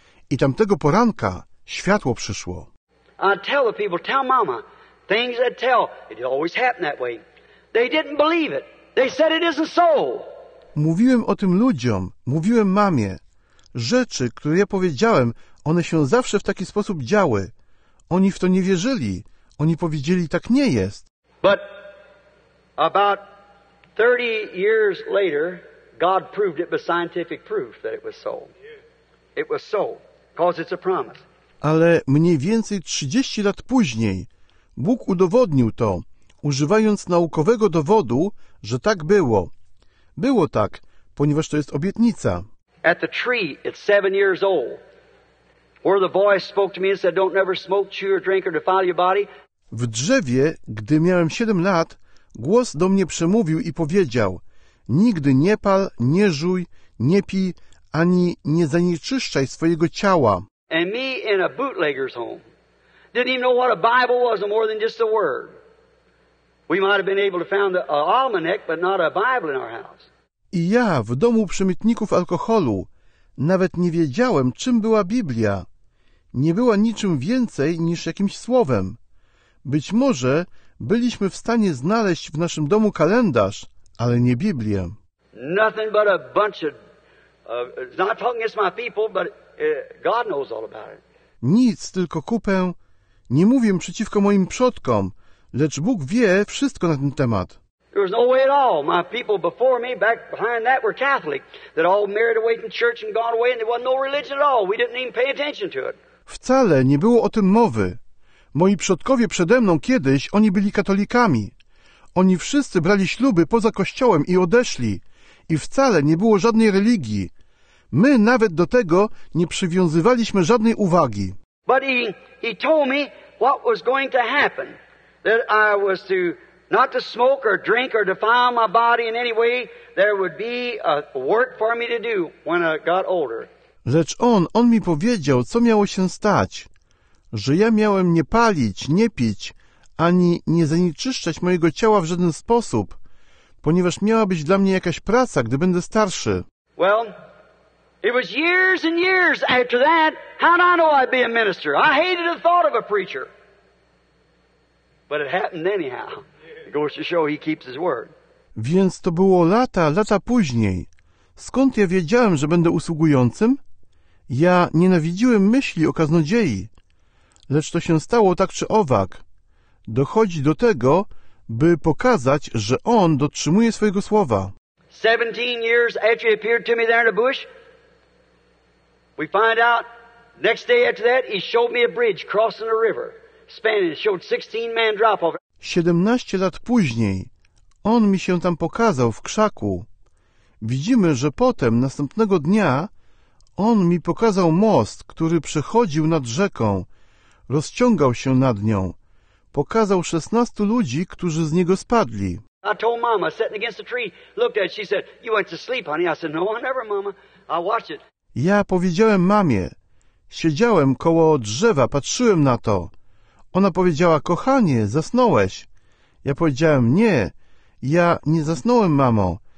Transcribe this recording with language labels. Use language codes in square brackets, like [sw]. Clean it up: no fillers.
[pl] I tamtego poranka światło przyszło. [en] I tell the people, tell mama. Things that tell, it always happened that way. They didn't believe it. They said it isn't so. [pl] Mówiłem o tym ludziom, mówiłem mamie. Rzeczy, które ja powiedziałem, one się zawsze w taki sposób działy. Oni w to nie wierzyli. Oni powiedzieli, tak nie jest. [en] But about 30 years later, God proved it by scientific proof that it was so. It was so, because it's a promise. [pl] Ale mniej więcej 30 lat później Bóg udowodnił to, używając naukowego dowodu, że tak było. Było tak, ponieważ to jest obietnica. [en] At the tree at 7 years old, where the voice spoke to me and said, don't never smoke, chew or drink or defile your body. [pl] W drzewie, gdy miałem 7 lat, głos do mnie przemówił i powiedział, nigdy nie pal, nie żuj, nie pij, ani nie zanieczyszczaj swojego ciała. [en] And me in a bootlegger's home. Didn't even know what a Bible was, more than just a word. We might have been able to found an almanac, but not a Bible in our house. [pl] I ja w domu przemytników alkoholu nawet nie wiedziałem, czym była Biblia. Nie była niczym więcej niż jakimś słowem. Być może byliśmy w stanie znaleźć w naszym domu kalendarz, ale nie Biblię. [en] Nothing but a bunch of not talking against my people, but God knows all about it. [pl] Nic, tylko kupę. Nie mówię przeciwko moim przodkom, lecz Bóg wie wszystko na ten temat. [en] There was no way at all. My people before me, back behind that, were Catholic. That all married away from church and gone away, and there wasn't no religion at all. We didn't even pay attention to it. [pl] Wcale nie było o tym mowy. Moi przodkowie przede mną kiedyś, oni byli katolikami. Oni wszyscy brali śluby poza kościołem i odeszli. I wcale nie było żadnej religii. My nawet do tego nie przywiązywaliśmy żadnej uwagi. [en] But he told me what was going to happen. That I was to not to smoke or drink or defile my body in any way. There would be a work for me to do when I got older. [pl] Lecz on mi powiedział, co miało się stać. Że ja miałem nie palić, nie pić, ani nie zanieczyszczać mojego ciała w żaden sposób, ponieważ miała być dla mnie jakaś praca, gdy będę starszy. [en] Well, it was years and years after that, how did I know I'd be a minister? I hated the thought of a preacher. But it happened anyhow. It goes to show he keeps his word. [pl] Więc to było lata później. Skąd ja wiedziałem, że będę usługującym? Ja nienawidziłem myśli o kaznodziei. Lecz to się stało tak czy owak. Dochodzi do tego, by pokazać, że on dotrzymuje swojego słowa. [en] 17 years after he appeared to me there in the bush, we find out next day after that he showed me a bridge crossing a river. Spanish showed 16 man drop off. [pl] 17 lat później on mi się tam pokazał w krzaku. Widzimy, że potem następnego dnia on mi pokazał most, który przechodził nad rzeką. Rozciągał się nad nią. Pokazał 16 ludzi, którzy z niego spadli. [en] I told mama, sitting against the tree, looked at it. She said, "You went to sleep, honey." I said, "No, I never, mama. I watched it." [pl] Ja powiedziałem mamie. Siedziałem koło drzewa, patrzyłem na to. Ona powiedziała, kochanie, zasnąłeś. Ja powiedziałem, nie, ja nie zasnąłem, mamo.